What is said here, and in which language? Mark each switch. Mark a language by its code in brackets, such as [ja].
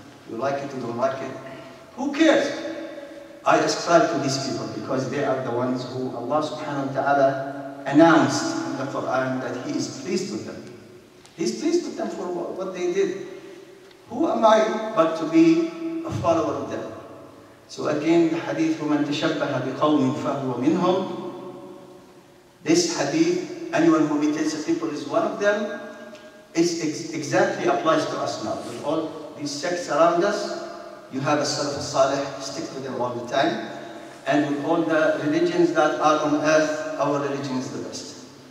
[en] You like it, you don't like it. Who cares? I ascribe to these people because they are the ones who Allah subhanahu wa ta'ala announced in the Quran that He is pleased with them. He's pleased with them for what they did. Who am I but to be a follower of them? So again, the hadith, [ar] وَمَنْ تَشَبَّهَ بِقَوْمٍ فَهُوَ مِنْهُمْ. [en] This hadith, anyone who imitates a people is one of them, is exactly applies to us now. With all these sects around us, you have a Salaf al-Salih, stick to them all the time. And with all the religions that are on earth, our religion is the best.